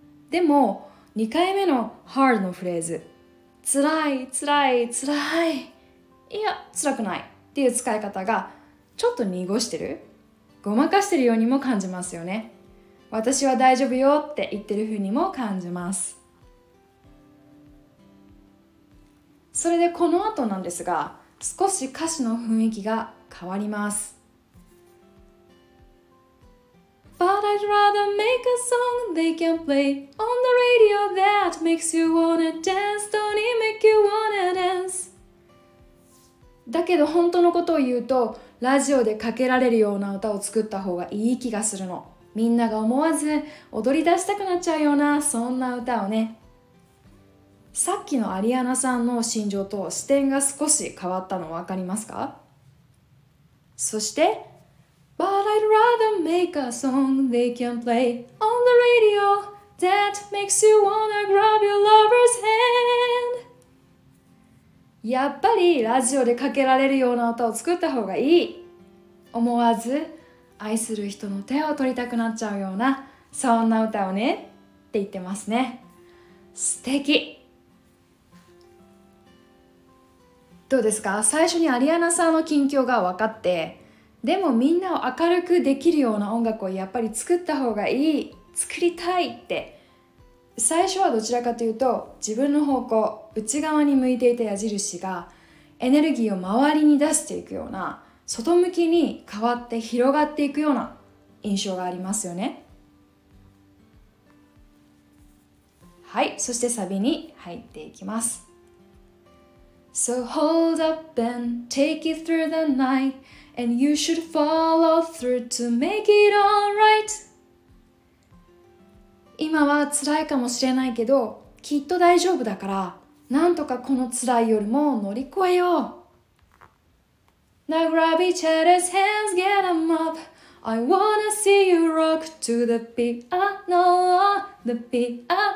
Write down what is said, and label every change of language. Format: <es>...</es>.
<ja>でも2回目の Hard のフレーズ、辛い辛い辛い、いや辛くないっていう使い方がちょっと濁してる、ごまかしてるようにも感じますよね。私は大丈夫よって言ってる風にも感じます。それでこの後なんですが、少し歌詞の雰囲気が変わります。</ja> <en>But I'd rather make a song they can play on the radio that makes you wanna dance, don't it make you wanna dance。</en> <ja>だけど本当のことを言うと、ラジオでかけられるような歌を作った方がいい気がするの。みんなが思わず踊り出したくなっちゃうような、そんな歌をね。さっきのアリアナさんの心情と視点が少し変わったの分かりますか？そして</ja> <en>But I'd rather make a song they can play on the radio that makes you wanna grab your lover's hand。</en> <ja>やっぱりラジオでかけられるような歌を作った方がいい、思わず愛する人の手を取りたくなっちゃうような、そんな歌をねって言ってますね。素敵。どうですか、最初にアリアナさんの近況が分かって、でもみんなを明るくできるような音楽をやっぱり作った方がいい、作りたいって、最初はどちらかというと自分の方向、内側に向いていた矢印がエネルギーを周りに出していくような、外向きに変わって広がっていくような印象がありますよね。はい、そしてサビに入っていきます。</ja> <en>So hold up and take it through the night, and you should follow through to make it alright。</en> <ja>今は辛いかもしれないけどきっと大丈夫だから、なんとかこの辛い夜も乗り越えよう。</ja> <en>Now grab each other's hands, get them up, I wanna see you rock to the piano, the piano。</en>